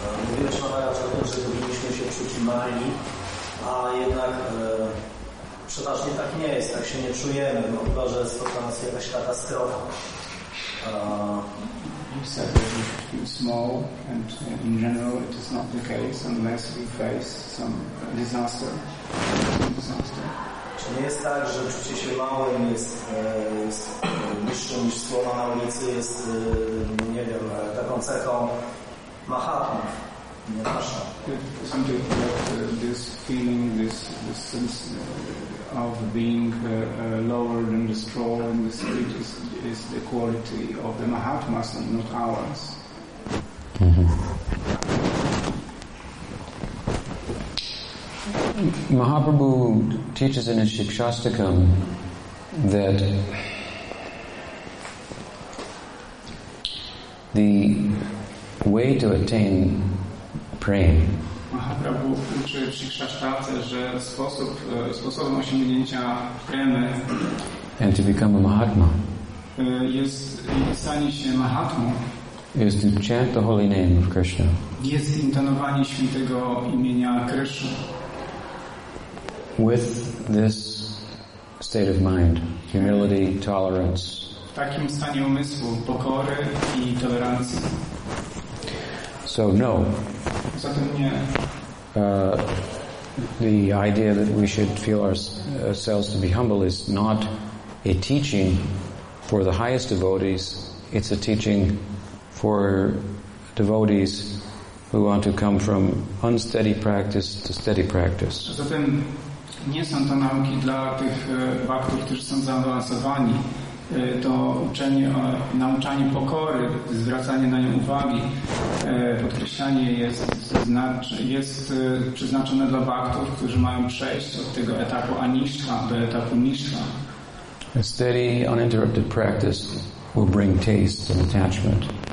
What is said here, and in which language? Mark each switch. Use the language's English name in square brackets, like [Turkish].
[Polish] Mówiłeś Maharaj o tym, że powinniśmy się czuć mali, a jednak przeważnie tak nie jest, tak się nie czujemy, bo chyba, że jest to dla nas jakaś katastrofa. [English] You said that we should feel small, and in general, it is not the case unless we face some disaster. [Polish] Czy nie jest tak, że czucie się małym jest niższym niż słowa na ulicy, jest, nie wiem, taką cechą mahatmów, nie nasza? [English] Isn't it that this feeling, this sense of being lower than the straw in the street is the quality of the Mahatmas and not ours? Mahaprabhu teaches in his Shikshastakam that the way to attain prema. [Polish] Mahaprabhu uczy w Shikshastace, że sposobem osiągnięcia premy [English] and to become a Mahatma [Polish] jest stanie się Mahatmą. [English] Is to chant the holy name of Krishna. [Polish] Jest intonowanie świętego imienia Krishna. [English] With this state of mind, humility, tolerance. [Polish] W takim stanie umysłu, pokory i tolerancji. [English] So no. [Polish] Zatem nie. [English] The idea that we should feel ourselves to be humble is not a teaching for the highest devotees. It's a teaching for devotees who want to come from unsteady practice to steady practice. [Polish] Zatem nie są to nauki dla tych bhaktów, którzy są zaawansowani. To uczenie, nauczanie pokory, zwracanie na nią uwagi, podkreślanie jest przeznaczone dla bhaktów, którzy mają przejść od tego etapu aniszcha do etapu niszcha. [English] A steady, uninterrupted practice will bring taste and attachment.